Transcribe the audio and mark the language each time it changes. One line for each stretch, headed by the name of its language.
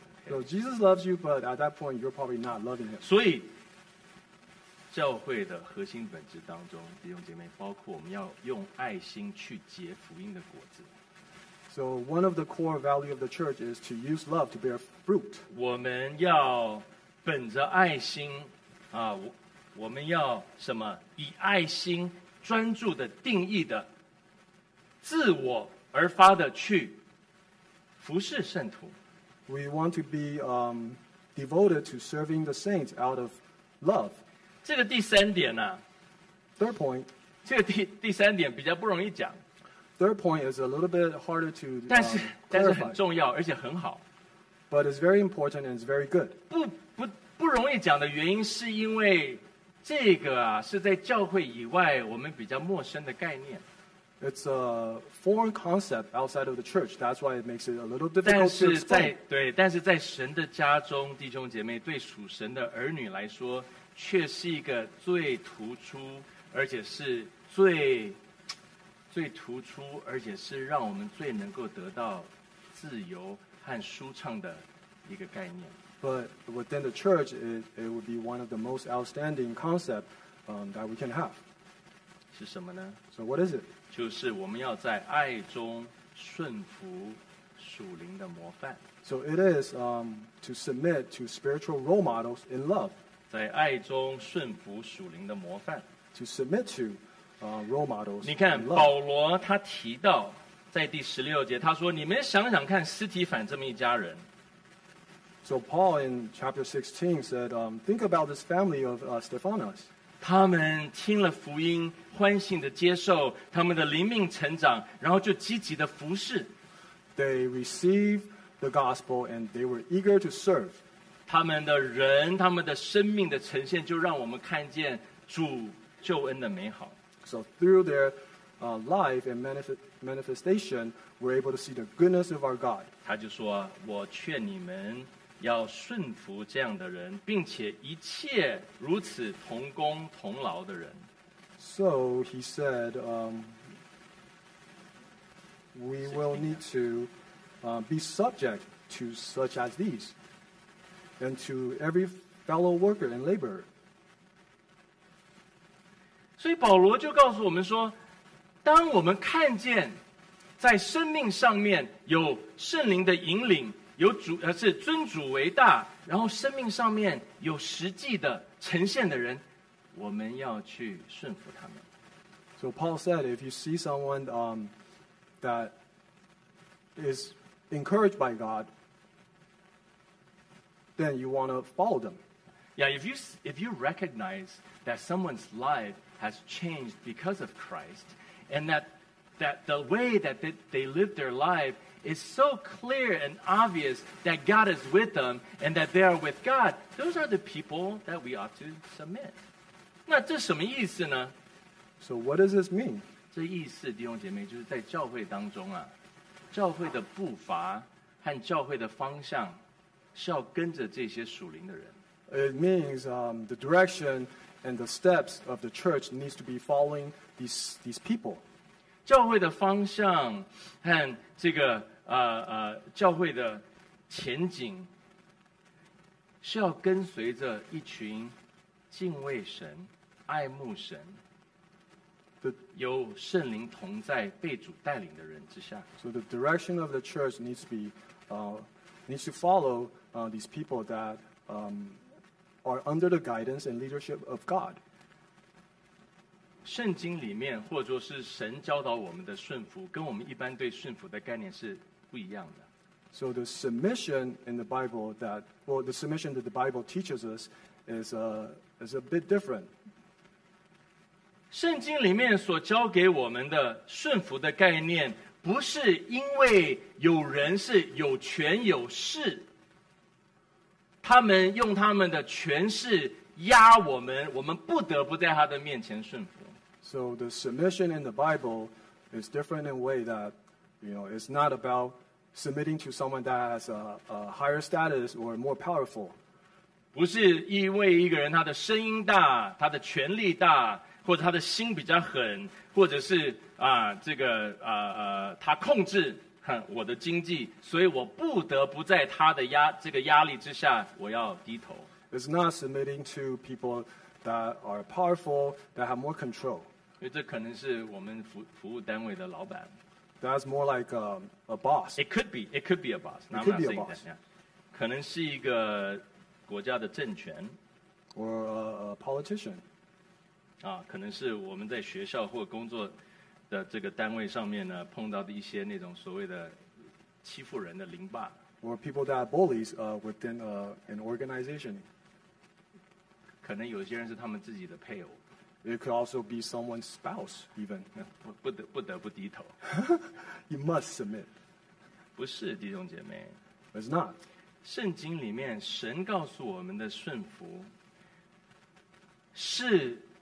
English: So Jesus loves you, but at that point, you're probably not loving him.
Chinese: 所以，教会的核心本质当中，弟兄姐妹，包括我们要用爱心去结福音的果子。
English: So one of the core value of the church is to use love to bear fruit.
Chinese: 我们要本着爱心啊，我们要什么？以爱心专注的定义的自我而发的去服侍圣徒。
English: We want to be devoted to serving the saints out of love.
Chinese: 这个第三点呢、啊、
English: Third point.
Chinese: 这个第三点比较不容易讲。
English: Third point is a little bit harder to clarify.
Chinese: 但是很重要，而且很好。
English: But it's very important and it's very good.
Chinese: 不容易讲的原因是因为这个啊是在教会以外我们比较陌生的概念。
English: It's a foreign concept outside of the church. That's why it makes it a little difficult to explain.
Chinese: 但是在神的家中，弟兄姐妹对属神的儿女来说，却是一个最突出，而且是最。最突出而且是让我们最能够得到自由和舒畅的一个概念。
English: But within the church, it would be one of the most outstanding concepts that we can have.
Chinese: 是什么呢？
English: So what is it?
Chinese: 就是我们要在爱中顺服属灵的模范。
English: So it is to submit to spiritual role models in love.
Chinese: 在爱中顺服属灵的模范。
English: To submit to role models.
Chinese: 你看保罗他提到在第十六节，他说：“你们想想看，斯提凡这么一家人。”
English: So Paul in chapter 16 said, "Think about this family of Stephanas."
Chinese: 他们听了福音，欢欣的接受，他们的灵命成长，然后就积极的服侍。
English: They received the gospel and they were eager to serve.
Chinese: 他们的人，他们的生命的呈现，就让我们看见主救恩的美好。
English: So through their life and manifestation, we're able to see the goodness of our God.
Chinese: 他就说：“我劝你们要顺服这样的人，并且一切如此同工同劳的人。”
English: So he said, "We will need to be subject to such as these, and to every fellow worker and laborer."
Chinese: 所以保罗就告诉我们说。当我们看见在生命上面有圣灵的引领，有主是尊主为大，然后生命上面有实际的呈现的人，我们要去顺服他们。
English: So Paul said, if you see someone that is encouraged by God, then you want to follow them. Yeah, if you recognize that someone's life has changed because of Christ. And that the way that they live their life is so clear and obvious that God is with them and that they are with God. Those are the people that we ought to submit.
Chinese: 那这什么意思呢？
English: So what does this mean?
Chinese: 这意思，弟兄姐妹，就是在教会当中啊，教会的步伐和教会的方向是要跟着这些属灵的人。
English: It means the direction and the steps of the church needs to be following these people.
Chinese: 教会的方向和这个教会的前景是要跟随着一群敬畏神、爱慕神、有圣灵同在、被主带领的人之下。
English: So the direction of the church needs to follow these people that are under the guidance and leadership of God.
Chinese: 圣经里面或者说是神教导我们的顺服跟我们一般对顺服的概念是不一样的。
English: So the submission in the Bible that well the submission that the Bible teaches us is a bit different.
Chinese: 圣经里面所教给我们的顺服的概念不是因为有人是有权有势他们用他们的权势压我们，我们不得不在他的面前顺服。
English: So the submission in the Bible is different in a way that, you know, it's not about submitting to someone that has a higher status or more powerful.
Chinese: 不是因为一个人他的声音大，他的权力大，或者他的心比较狠，或者是他控制。我的经济，所以我不得不在他的压力之下，我要低头。
English: It's not submitting to people that are powerful, that have more control.
Chinese: 因为这可能是我们服务单位的老板。
English: That's more like a boss. It could be a boss. It could be a boss.
Chinese: 可能是一个国家的政权。
English: Or a politician.
Chinese: 可能是我们在学校或工作。的这个单位上面呢，碰到的一些那种所谓的欺负人的邻霸
English: ，or people that are bullies within an organization，
Chinese: 可能有些人是他们自己的配偶
English: ，it could also be someone's spouse even，
Chinese: 不得不低头
English: ，you must submit，
Chinese: 不是弟兄姐妹
English: ，it's not，
Chinese: 圣经里面神告诉我们的顺服是。